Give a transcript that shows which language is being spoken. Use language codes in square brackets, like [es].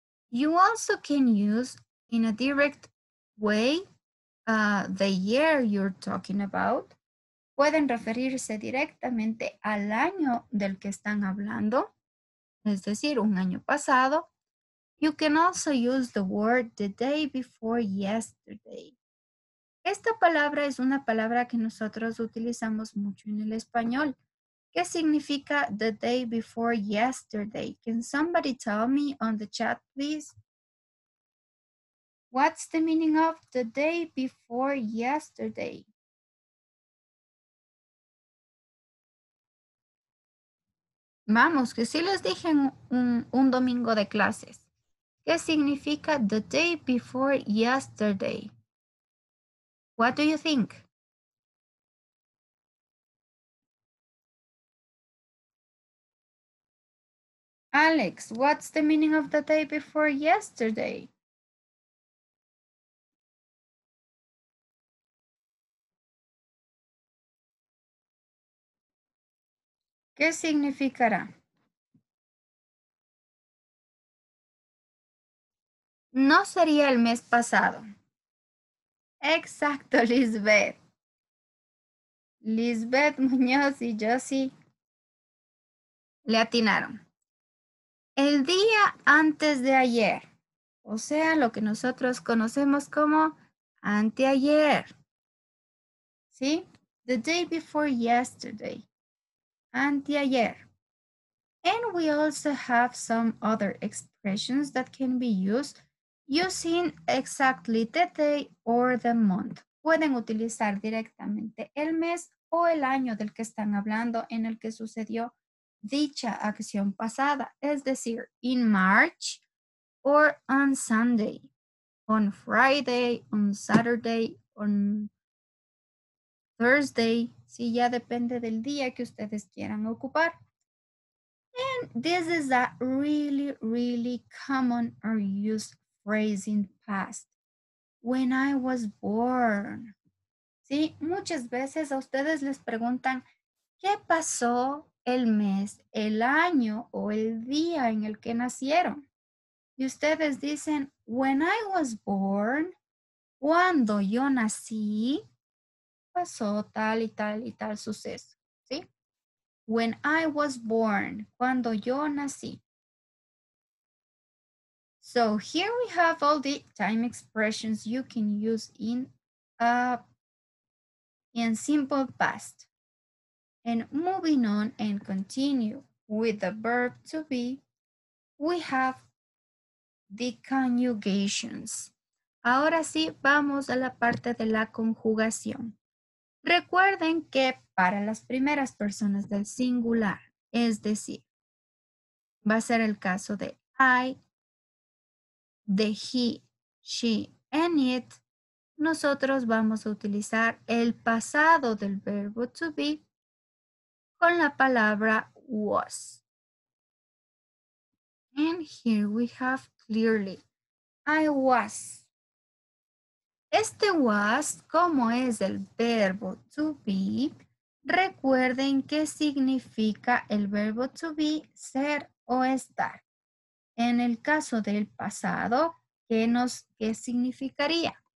[en] You also can use, in a direct way, the year you're talking about. [es] Pueden referirse directamente al año del que están hablando, es decir, un año pasado. [en] You can also use the word the day before yesterday. [es] Esta palabra es una palabra que nosotros utilizamos mucho en el español. ¿Qué significa the day before yesterday? [en] Can somebody tell me on the chat, please? What's the meaning of the day before yesterday? [es] Vamos, que sí les dije un domingo de clases. [en] ¿Qué significa the day before yesterday? What do you think? Alex, what's the meaning of the day before yesterday? [es] ¿Qué significará? No sería el mes pasado. Exacto, Lisbeth. Lisbeth Muñoz y Josie le atinaron. El día antes de ayer, o sea, lo que nosotros conocemos como anteayer, ¿sí? [en] The day before yesterday, anteayer. And we also have some other expressions. expressions that can be used using exactly the day or the month. [es] Pueden utilizar directamente el mes o el año del que están hablando en el que sucedió dicha acción pasada, es decir, in March or on Sunday, on Friday, on Saturday, on Thursday, si ya depende del día que ustedes quieran ocupar. [en] And this is a really, really common or used phrase in past. When I was born. ¿Sí? [es] Muchas veces a ustedes les preguntan, ¿qué pasó el mes, el año o el día en el que nacieron? Y ustedes dicen, when I was born, cuando yo nací, pasó tal y tal y tal suceso. ¿Sí? When I was born, cuando yo nací. [en] So here we have all the time expressions you can use in simple past. And moving on and continue with the verb to be, we have the conjugations. [es] Ahora sí, vamos a la parte de la conjugación. Recuerden que para las primeras personas del singular, es decir, va a ser el caso de I, de he, she, and it, nosotros vamos a utilizar el pasado del verbo to be con la palabra was. [en] And here we have clearly, I was. [es] Este was, como es el verbo to be, recuerden que significa el verbo to be, ser o estar. En el caso del pasado, ¿qué significaría?